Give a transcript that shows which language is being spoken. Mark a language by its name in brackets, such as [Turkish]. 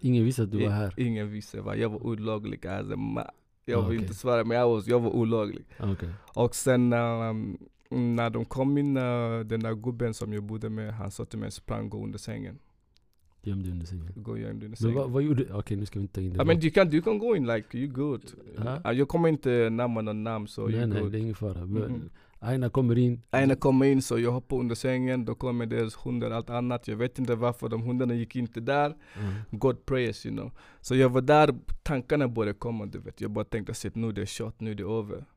[Swedish] Ingen visste att du var här. Ingen visste. Jag var olaglig. Jag okay. Vill inte svara, men jag var olaglig. Okay. Och sen när de kom in, den där gubben som jag bodde med, han sa till mig, sprang och gå under sängen. gömde under sängen. Gå och gömde under sängen. Men vad gjorde du? Okej, okay, nu ska vi inte ta in det. [English] I mean, you can go in, like, you good. [Swedish] Jag kommer inte namn och namn, så [English] you good. [Swedish] Nej, det är ingen fara. Aina kommer in. Aina kommer in, så jag hoppar under sängen. Då kommer deras hundar och allt annat. Jag vet inte varför de hundarna gick inte där. Mm. [English] God prayers, you know. [Swedish] Så jag var där, tankarna började komma, du vet. Jag bara tänkte att nu det är shot, nu det är över.